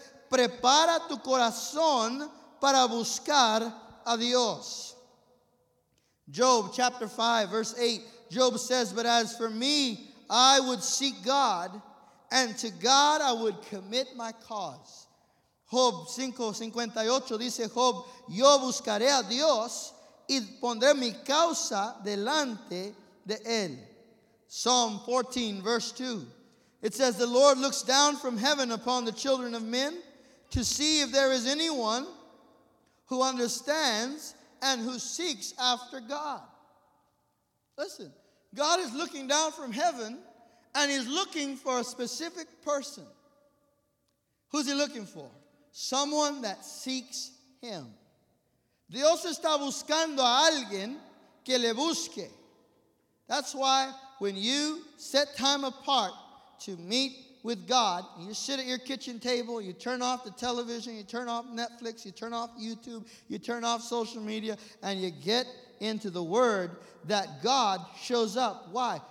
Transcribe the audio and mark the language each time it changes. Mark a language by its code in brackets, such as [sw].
[es] Prepara tu corazón para buscar a Dios. [en] Job chapter 5, verse 8. Job says, but as for me, I would seek God, and to God I would commit my cause. [es] Job 5:58 dice Job, yo buscaré a Dios y pondré mi causa delante de él. [en] Psalm 14, verse 2. It says, the Lord looks down from heaven upon the children of men to see if there is anyone who understands and who seeks after God. Listen, God is looking down from heaven and he's looking for a specific person. Who's he looking for? Someone that seeks him. [es] Dios está buscando a alguien que le busque. [en] That's why when you set time apart to meet with God, you sit at your kitchen table, you turn off the television, you turn off Netflix, you turn off YouTube, you turn off social media, and you get into the Word, that God shows up. Why?